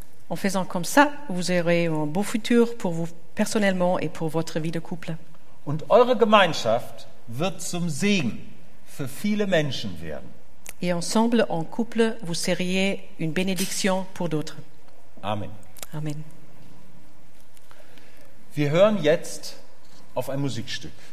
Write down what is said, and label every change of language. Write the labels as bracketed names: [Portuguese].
[French] En faisant comme ça, vous aurez un beau futur pour vous personnellement et pour votre vie de couple. [German] Und eure Gemeinschaft wird zum Segen für viele Menschen werden. [French] Et ensemble, en couple, vous seriez une bénédiction pour d'autres. Amen. Amen. [German] Wir hören jetzt auf ein Musikstück.